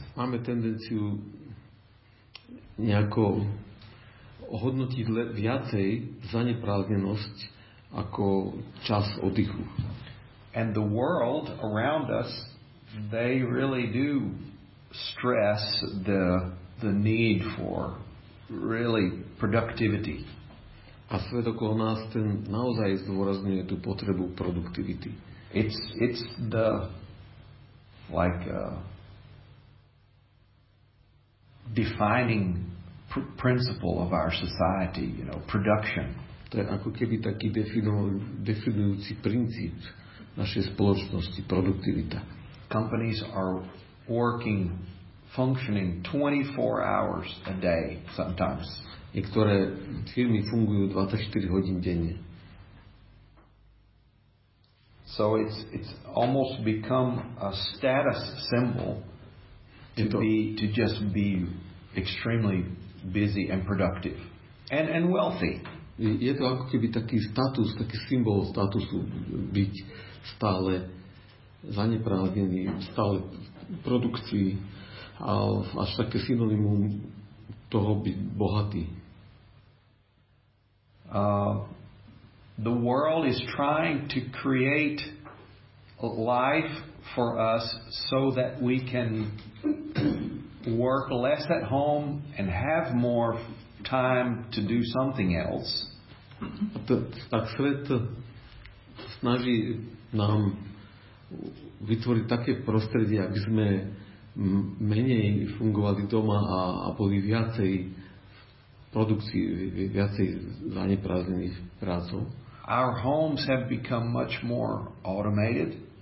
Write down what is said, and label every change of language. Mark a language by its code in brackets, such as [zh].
[sk] Máme tendenciu nejako hodnotiť viacej zaneprázdnenosť ako čas oddychu. [en] And the world around us, they really do stress the need for really productivity. [sk] A svet okolo nás ten naozaj zdôrazňuje tú potrebu produktivity. [en] It's the like defining principle of our society, you know, production. [sk] To je ako keby taký definujúci princíp našej spoločnosti, produktivita. [en] Companies are working, functioning 24 hours a day sometimes. [sk] Niektoré firmy fungujú 24 hodín denne. [en] So it's almost become a status symbol to just be extremely busy and productive and wealthy. [sk] Je to ako keby taký status, taký symbol statusu, byť stále zaneprázdnený, stále produkcii a až také synonymum toho byť bohatý. [en] The world is trying to create life for us so that we can work less at home and have more time to do something else. [sk] Tak svet snaží nám vytvoriť také prostredie, aby sme menej fungovali doma a boli viacej produkcii, viacej zaneprázdnených prácov. [en] Our homes have become much more automated.